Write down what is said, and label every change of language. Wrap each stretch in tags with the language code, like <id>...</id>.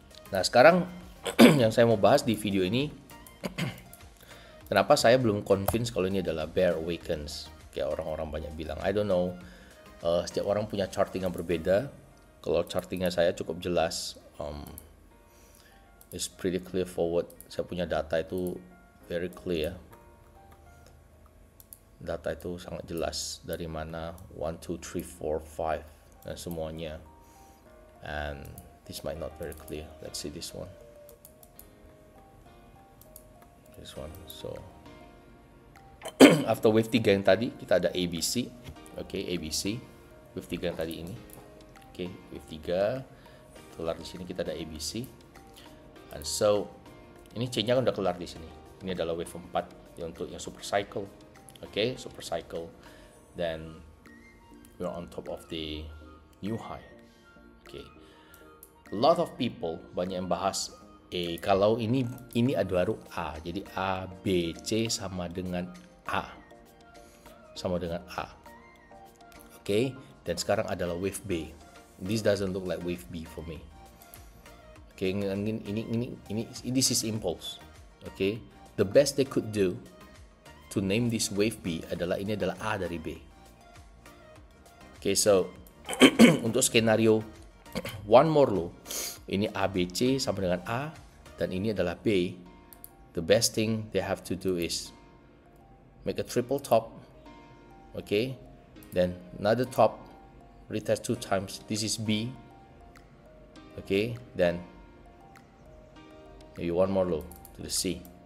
<id>Nah, sekarang yang saya mau bahas di video ini, kenapa saya belum convince kalau ini adalah bear awakens? Kayak orang-orang banyak bilang,</id> <en>I don't know.</en> <id>Setiap orang punya charting yang berbeda. Kalau chartingnya saya cukup jelas,</id> <en>it's pretty clear forward.</en> <id>Saya punya data itu</id> <en>very clear.</en> <id>Data itu sangat jelas dari mana 1, 2, 3, 4, 5 dan semuanya.</id> <en>And this might not very clear. Let's see this one. This one. So after</en> <id>wave 3 yang tadi kita ada ABC. Okay, ABC. Wave 3 yang tadi ini. Okay, wave 3. Kelar di sini kita ada ABC. And so ini C-nya kan udah kelar di sini. Ini adalah wave 4 yang untuk yang super cycle.</id> <en>Okay, super cycle. Then we're on top of the new high. Okay. A lot of people</en> <id>banyak yang bahas kalau ini adalah A. Jadi A B C sama dengan A. Sama dengan A. Okay. Dan sekarang adalah wave B.</id> <en>This doesn't look like wave B for me. Okay, ini this is impulse. Okay. The best they could do to name this wave B</en> <id>adalah ini adalah A dari B. Okay, so untuk skenario one more low, ini A B C sama dengan A dan ini adalah B.</id> <en>The best thing they have to do is make a triple top, okay? Then another top, retest two times. This is B, okay? Then maybe one more low to the C.</en>